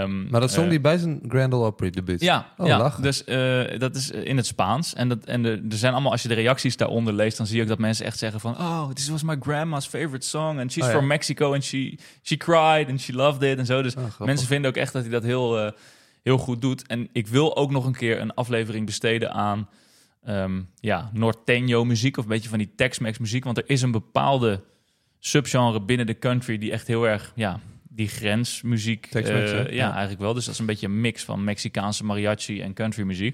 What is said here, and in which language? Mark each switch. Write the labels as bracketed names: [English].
[Dutch] Maar dat zong hij bij zijn Grand Ole Opry debuut. Ja, oh, ja. Dus dat is in het Spaans. En er zijn allemaal, als je de reacties daaronder leest... dan zie je ook dat mensen echt zeggen van... [English] Oh, this was my grandma's favorite song. And she's from Mexico and she cried and she loved it. [Dutch] En zo. Dus mensen vinden ook echt dat hij dat heel... heel goed doet. En ik wil ook nog een keer een aflevering besteden aan Norteño muziek of een beetje van die Tex-Mex muziek, want er is een bepaalde subgenre binnen de country die echt heel erg, ja, die grensmuziek, eigenlijk wel. Dus dat is een beetje een mix van Mexicaanse mariachi en country muziek.